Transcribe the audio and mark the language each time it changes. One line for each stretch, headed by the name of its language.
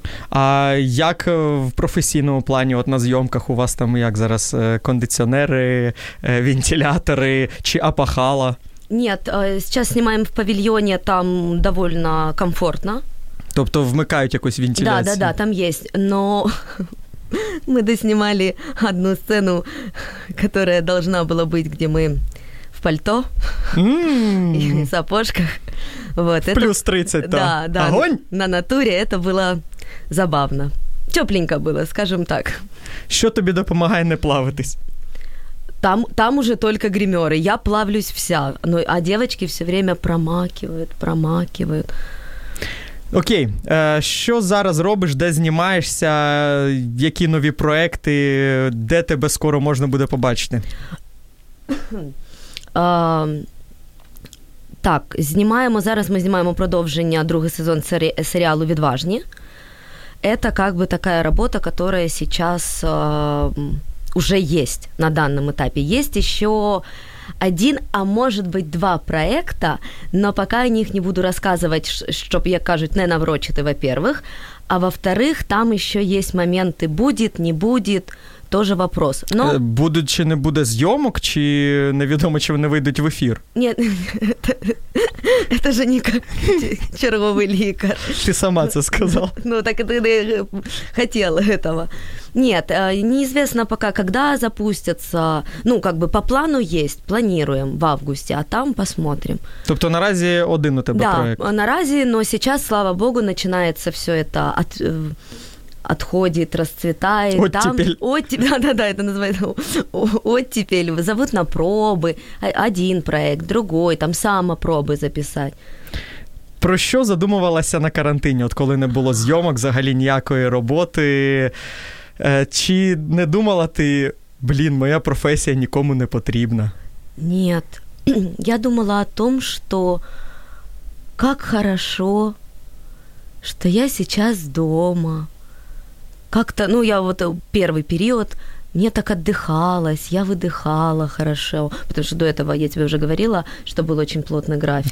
Ukrainian: А як в професійному плані, от на зйомках у вас там як зараз, кондиціонери, вентилятори чи апахала? Ні, зараз знімаємо в павільйоні, там доволі комфортно. Тобто вмикають якусь вентиляцію? Да, там є, но
Russian: Мы доснимали одну сцену, которая должна была быть, где мы в пальто и в сапожках. Вот, в это... плюс 30-то. Да, да. Огонь! На натуре это было забавно. Тепленько было, скажем так.
Ukrainian: Що тобі допомагає не плавитись?
Russian: Там уже только гримеры. Я плавлюсь вся. Ну, а девочки все время промакивают.
Ukrainian: Окей. Що зараз робиш? Де знімаєшся? Які нові проекти? Де тебе скоро можна буде побачити? Так, знімаємо. Зараз ми знімаємо продовження другий сезон серіалу «Відважні».
Russian: Это как бы такая работа, которая сейчас уже есть на данном этапе. Есть еще один, а может быть два проекта, но пока о них не буду рассказывать, чтоб,
Ukrainian: як кажуть, не наврочити,
Russian: во-первых. А во-вторых, там еще есть моменты, будет, не будет, тоже вопрос. Но...
Ukrainian: Будут, чи не буде съемок, чи невідомо, чи вони вийдуть в эфир?
Russian: Нет, это же не как черговый лікар.
Ukrainian: Ты сама це сказала.
Russian: Ну, так ты не хотела этого. Нет, неизвестно пока, когда запустятся. Ну, как бы по плану есть, планируем в августе, а там посмотрим.
Ukrainian: Тобто наразі один у тебе проект?
Russian: Да, наразі, но сейчас, слава богу, начинается все это отходит, расцветает. Оттепель. Да, это называется оттепель. Зовут на пробы. Один проект, другой, там самопробы записать.
Ukrainian: Про що задумувалася на карантині, от коли не було зйомок, взагалі ніякої роботи? Чи не думала ти, блін, моя професія нікому не потрібна?
Russian: Нет. Я думала о том, что как хорошо, что я сейчас дома. Как-то, ну, я вот первый период, мне так отдыхалось, я выдыхала хорошо. Потому что до этого я тебе уже говорила, что был очень плотный график.